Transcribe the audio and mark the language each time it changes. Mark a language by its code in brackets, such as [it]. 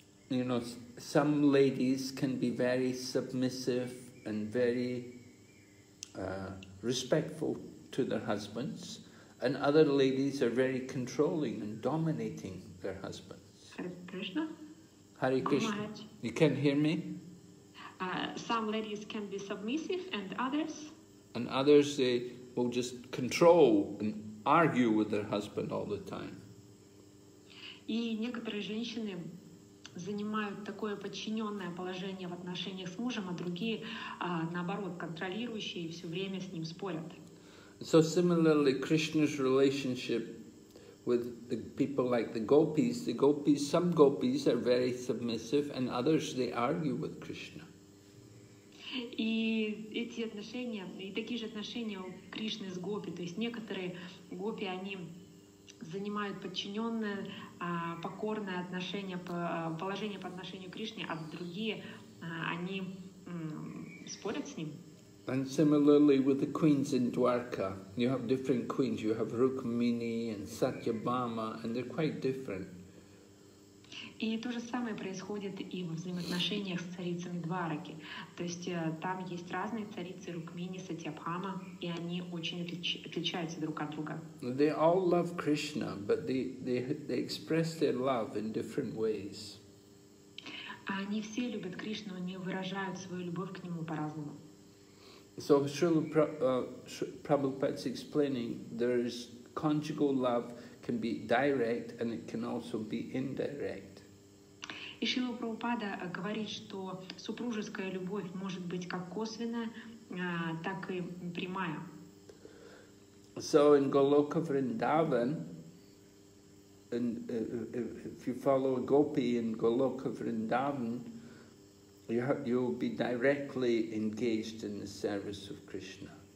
[en] You know, some ladies can be very submissive and very respectful to their husbands, and other ladies are very controlling and dominating their husbands. Hare Krishna. Hare Krishna. Maharaj. You can hear me? Some ladies can be submissive and others? And others, they will just control and argue with their husband all the time. [ru] И некоторые женщины занимают такое подчиненное положение в отношениях с мужем, а другие, наоборот, контролирующие и все время с ним спорят. [en] So similarly, Krishna's relationship with the people like the gopis, some gopis are very submissive, and others they argue with Krishna. [ru] И эти отношения, и такие же отношения у Кришны с гопи, то есть некоторые гопи, они занимают подчиненное, покорное отношение, положение по отношению к Кришне, а другие, они спорят с ним. [en] And similarly with the queens in Dwarka, you have different queens. You have Rukmini and Satyabhama, and they're quite different. [ru] И то же самое происходит и во взаимоотношениях с царицами Двараки. То есть там есть разные царицы Рукмини, Сатьябхама, и они очень отличаются друг от друга. [en] They all love Krishna, but they express their love in different ways. [ru] Они все любят Кришну, они выражают свою любовь к нему по-разному. [en] So Srila Prabhupada is explaining there is conjugal love can be direct and it can also be indirect. [ru] И Шрила Прабхупада говорит, что супружеская любовь может быть как косвенная, так и прямая. [en] So in Goloka Vrindavan, and if you follow a gopi in Goloka Vrindavan, you'll be directly engaged in the service of Krishna.